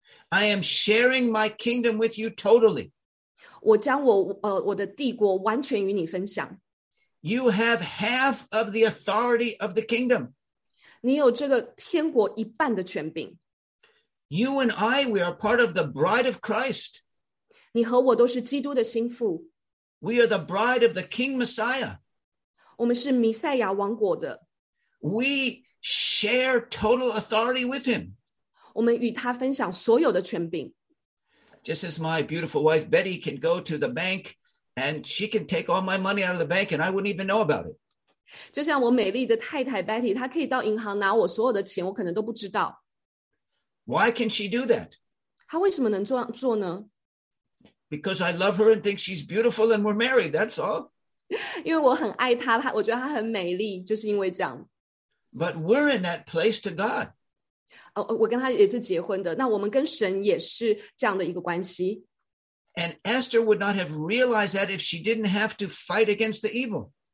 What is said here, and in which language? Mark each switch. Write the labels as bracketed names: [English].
[English] I am sharing my kingdom with you totally. [Chinese] 我将我的帝国完全与你分享。 [English] You have half of the authority of the kingdom. [Chinese] 你有这个天国一半的权柄。 [English] You and I, we are part of the bride of Christ. [Chinese] 你和我都是基督的心腹。 [English] We are the bride of the King Messiah. [Chinese] 我们是弥赛亚王国的。 [English] We share total authority with him. [Chinese] 我们与他分享所有的权柄。 [English] Just as my beautiful wife Betty can go to the bank and she can take all my money out of the bank and I wouldn't even know about it. [Chinese] 就像我美丽的太太 Betty, 她可以到银行拿我所有的钱，我可能都不知道。 [English] Why can she do that? [Chinese] 她为什么能做呢？ [English] Because I love her and think she's beautiful and we're married, that's all. [Chinese] 因为我很爱她，我觉得她很美丽，就是因为这样。 [English] But we're in that place to God. [Chinese] 我跟她也是结婚的，那我们跟神也是这样的一个关系。 [English] And Esther would not have realized that if she didn't have to fight against the evil.